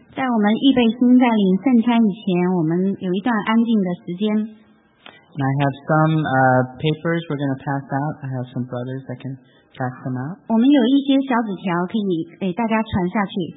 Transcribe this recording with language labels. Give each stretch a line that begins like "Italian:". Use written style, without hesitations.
Chinese: 在我们预备心在领圣餐以前，我们有一段安静的时间。
English: And I have some papers we're going to pass out. I have some brothers that can pass them out.
Chinese: 我们有一些小纸条可以给大家传下去。